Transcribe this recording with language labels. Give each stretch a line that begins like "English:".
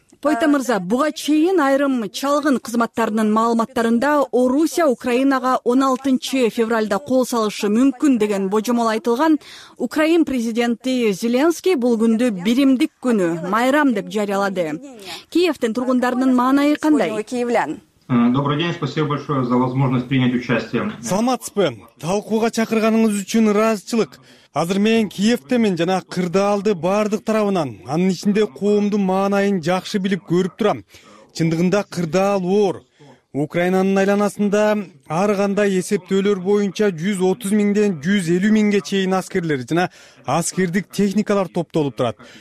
Kyrgyz: Пойта мырза, буга чейин айрым чалгын кызматтарынын маалыматтарында Орусия Украинага 16-февралда кол салышы мүмкүн деген божомол айтылган. Украин президенти Зеленский бул күндү биримдик күнү, майрам деп жарыялады. Киевтин тургундарынын маанайы кандай?
Russian: Добрый день, спасибо большое за возможность принять участие.
Kyrgyz: Саламатсызбы. Талкууга чакырганыңыз үчүн ыраазычылык. Азыр мен Киевтемин жана кырдаалды бардык тарабынан анын ичинде коомдун маанайын жакшы билип көрүп турам. Чындыгында кырдаал оор. Украинанын айланасында ар кандай эсептөөлөр боюнча 130 миңден 150 миңге чейин аскерлер жана аскердик техникалар топтолуп турат.